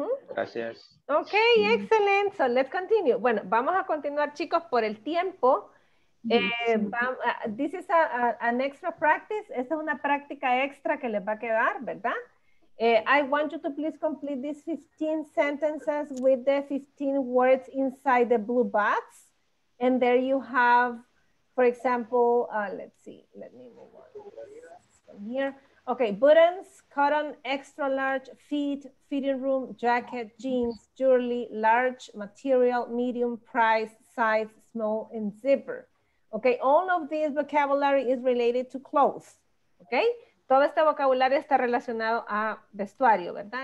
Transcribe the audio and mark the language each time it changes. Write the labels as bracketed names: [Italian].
[Spanish] Gracias. [English] Ok, excelente. So let's continue. [Spanish] Bueno, vamos a continuar, chicos, por el tiempo. [English] This is an extra practice. [Spanish] Esta es una práctica extra que les va a quedar, ¿verdad? [English] I want you to please complete these 15 sentences with the 15 words inside the blue box. And there you have, for example, let's see, let me move on here. Okay, buttons, cotton, extra large, feet, fitting room, jacket, jeans, jewelry, large, material, medium, price, size, small, and zipper. Okay, all of this vocabulary is related to clothes, okay? [Spanish] Todo este vocabulario está relacionado a vestuario, ¿verdad?